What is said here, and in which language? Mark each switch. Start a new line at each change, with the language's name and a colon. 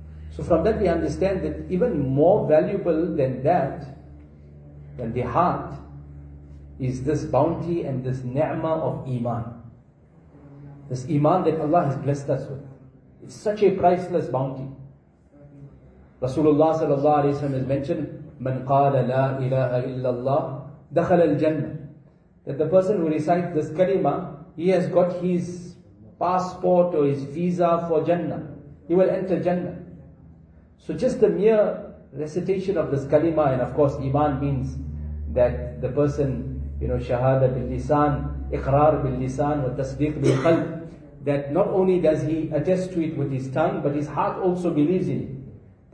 English: So from that we understand that even more valuable than that, than the heart, is this bounty and this ni'mah of Iman. This Iman that Allah has blessed us with. It's such a priceless bounty. Rasulullah sallallahu alayhi wa sallam has mentioned,
Arabic: من قال لا إله إلا الله دخل الجنة.
English: That the person who recites this kalima, he has got his passport or his visa for Jannah. He will enter Jannah. So just the mere recitation of this kalima, and of course Iman means that the person, you know,
Arabic: shahada bil lisan, iqrar bil lisan, wa tasdeeq bil qalb,
English: that not only does he attest to it with his tongue, but his heart also believes in it.